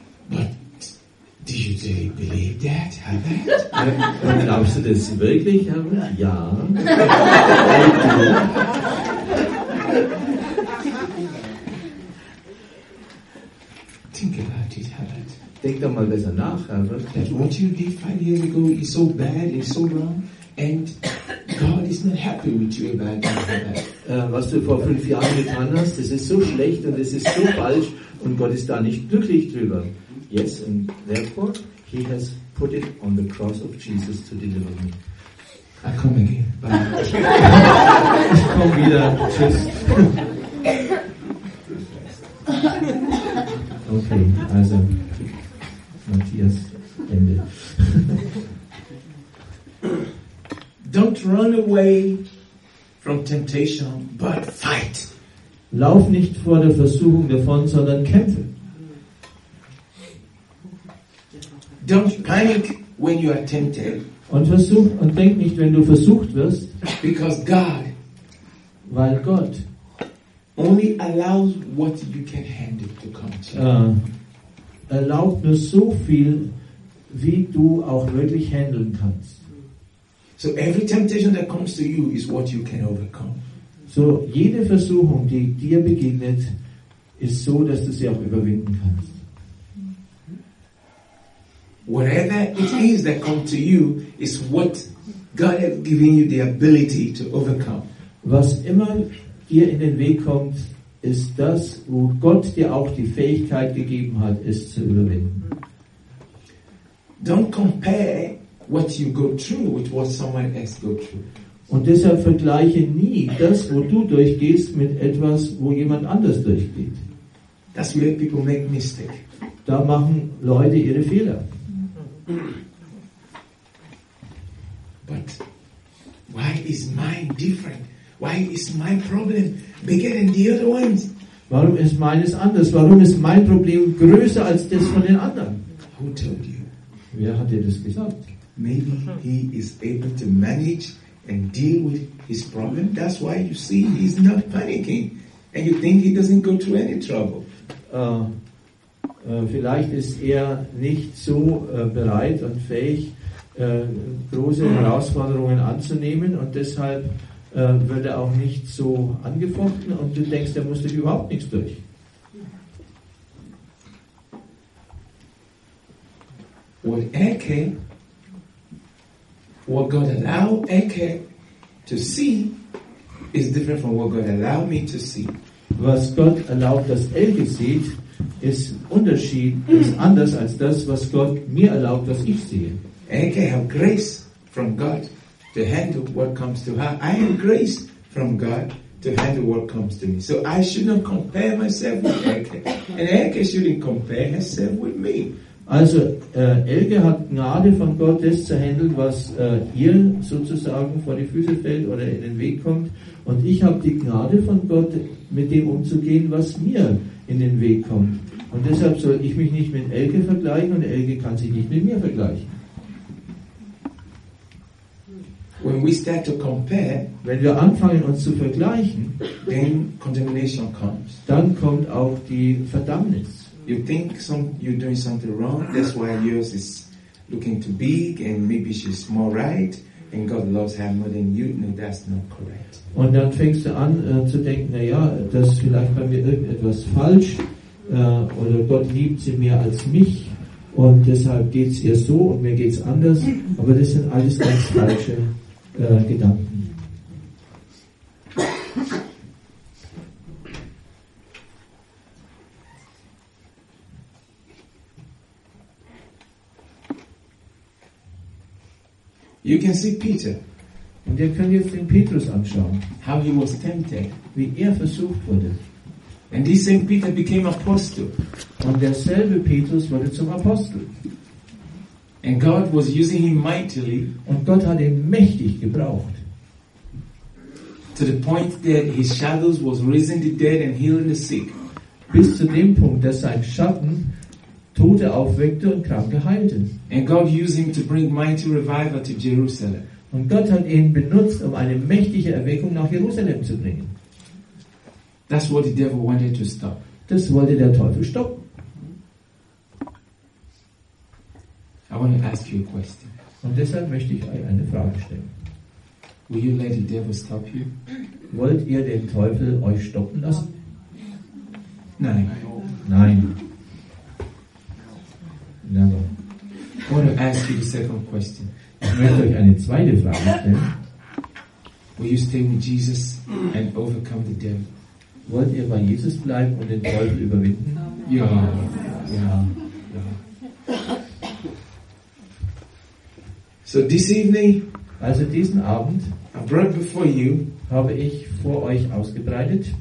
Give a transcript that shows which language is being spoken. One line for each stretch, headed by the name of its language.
English: But do you really believe that, Herbert?
German: Und glaubst du das wirklich, Herbert? Ja.
English: Think about it, Herbert.
German: Denk doch mal besser nach, Herbert.
English: That what you did 5 years ago is so bad, it's so wrong, and God is not happy with you about it, Herbert.
German: Was du vor 5 Jahren getan hast, das ist so schlecht und das ist so falsch und Gott ist da nicht glücklich drüber.
English: Yes, and therefore he has put it on the cross of Jesus to deliver me. I come again. Bye.
German: Ich komm wieder. Tschüss. Okay, also Matthias, Ende.
English: Don't run away from temptation, but fight.
German: Lauf nicht vor der Versuchung davon, sondern kämpfe.
English: Don't panic when you are tempted.
German: Und denk nicht, wenn du versucht wirst.
English: Because God,
German: weil Gott,
English: only allows what you can handle to come to.
German: Erlaubt nur so viel, wie du auch wirklich handeln kannst.
English: So every temptation that comes to you is what you can overcome.
German: So jede Versuchung, die dir begegnet, ist so, dass du sie auch überwinden kannst.
English: Whatever it is that comes to you is what God has given you the ability to overcome.
German: Was immer dir in den Weg kommt, ist das, wo Gott dir auch die Fähigkeit gegeben hat, es zu überwinden.
English: Don't compare what you go through with what someone else go through.
German: Und deshalb vergleiche nie das, wo du durchgehst, mit etwas, wo jemand anders durchgeht.
English: That's where people make mistake.
German: Da machen Leute ihre Fehler.
English: But why is mine different? Why is my problem bigger than the other ones?
German: Warum ist meines anders? Warum ist mein Problem größer als das von den anderen?
English: Who told you?
German: Wer hat dir das gesagt?
English: Maybe he is able to manage and deal with his problem. That's why you see he's not panicking and you think he doesn't go through any trouble.
German: Vielleicht ist er nicht so bereit und fähig, große Herausforderungen anzunehmen und deshalb wird er auch nicht so angefochten und du denkst, er muss durch überhaupt nichts durch.
English: What Eke, what God allow Eke to see, is different from what God allow me to see.
German: Was Gott erlaubt, dass Elke sieht, ist Unterschied, ist anders als das, was Gott mir erlaubt, dass ich sehe.
English: Eke have grace from God to handle what comes to her. I have grace from God to handle what comes to me. So I should not compare myself with Eke, and Eke shouldn't compare herself with me.
German: Also Elke hat Gnade von Gott, das zu handeln, was ihr sozusagen vor die Füße fällt oder in den Weg kommt. Und ich habe die Gnade von Gott, mit dem umzugehen, was mir in den Weg kommt. Und deshalb soll ich mich nicht mit Elke vergleichen und Elke kann sich nicht mit mir vergleichen.
English: When we start to compare,
German: wenn wir anfangen uns zu vergleichen,
English: then condemnation comes.
German: Dann kommt auch die Verdammnis.
English: You think you're doing something wrong, that's why yours is looking too big and maybe she's more right and God loves her more than you. No, that's not correct.
German: Und dann fängst du an zu denken, naja, das ist vielleicht bei mir irgendetwas falsch oder Gott liebt sie mehr als mich. Und deshalb geht es ihr so und mir geht es anders. Aber das sind alles ganz falsche Gedanken.
English: You can see Peter.
German: Und ihr könnt jetzt den Petrus anschauen.
English: How he was tempted.
German: Wie er versucht wurde.
English: And this same Peter became apostle.
German: Und derselbe Petrus wurde zum Apostel.
English: And God was using him mightily.
German: Und Gott hat ihn mächtig gebraucht.
English: To the point that his shadows was raising the dead and healing the sick.
German: Bis zu dem Punkt, dass sein Schatten Tote aufweckte und Kranke heilte.
English: And God used him to bring mighty revival to Jerusalem.
German: Und Gott hat ihn benutzt, um eine mächtige Erweckung nach Jerusalem zu bringen.
English: That's what the devil wanted to stop.
German: Das wollte der Teufel stoppen.
English: I want to ask you a question.
German: Und deshalb möchte ich euch eine Frage stellen.
English: Will you let the devil stop you?
German: Wollt ihr den Teufel euch stoppen lassen? Nein. Nein.
English: Never. I want to ask you the second question.
German: Ich möchte euch eine zweite Frage stellen.
English: Will you stay with Jesus and overcome the devil?
German: Wollt ihr bei Jesus bleiben und den Teufel überwinden? Ja. Ja. Ja.
English: So this evening,
German: also diesen Abend,
English: I brought before you,
German: habe ich vor euch ausgebreitet.